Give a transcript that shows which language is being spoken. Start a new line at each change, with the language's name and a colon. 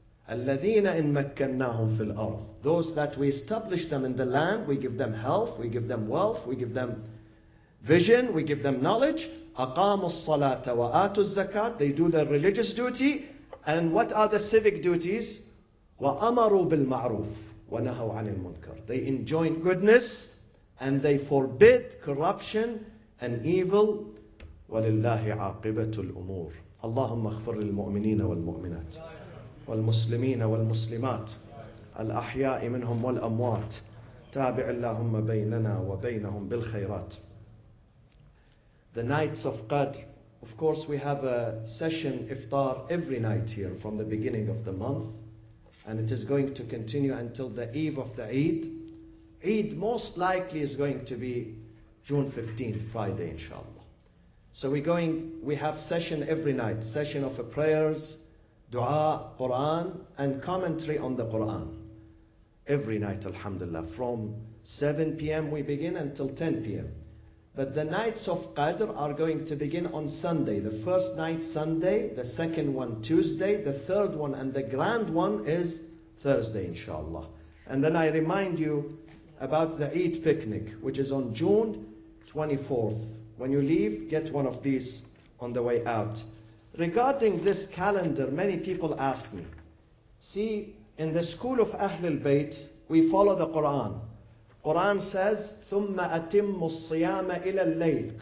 Arabic: الَّذِينَ إِن مَكَّنَّاهُمْ فِي الْأَرْضِ
English: Those that we establish them in the land, we give them health, we give them wealth, we give them vision, we give them knowledge.
Arabic: أَقَامُوا الصَّلَاةَ وَآتُوا الزَّكَاةَ
English: They do their religious duty. And what are the civic duties?
Arabic: وَأَمَرُوا بِالْمَعْرُوفِ وَنَهَوْا عَنِ الْمُنْكَرِ
English: They enjoin goodness, and they forbid corruption and evil.
Arabic: وَلِلَّهِ عَاقِبَةُ الْأُمُورِ اللهم اغفر للمؤمنين والمؤمنات والمسلمين والمسلمات الأحياء منهم والأموات تابع اللهم بيننا وبينهم بالخيرات.
English: The nights of Qadr, of course we have a session iftar every night here from the beginning of the month, and it is going to continue until the eve of the Eid. Eid most likely is going to be June 15th, Friday, inshallah. So we have session every night, session of prayers, dua, Quran, and commentary on the Quran. Every night, alhamdulillah, from 7 p.m. we begin until 10 p.m. But the nights of Qadr are going to begin on Sunday. The first night, Sunday, the second one, Tuesday, the third one, and the grand one is Thursday, inshallah. And then I remind you about the Eid picnic, which is on June 24th, When you leave, get one of these on the way out. Regarding this calendar, many people ask me, see, in the school of Ahlul Bayt, we follow the Quran. Quran says,
Arabic: ثُمَّ أَتِمُّ الصِّيَامَ إِلَى اللَّيْلِ.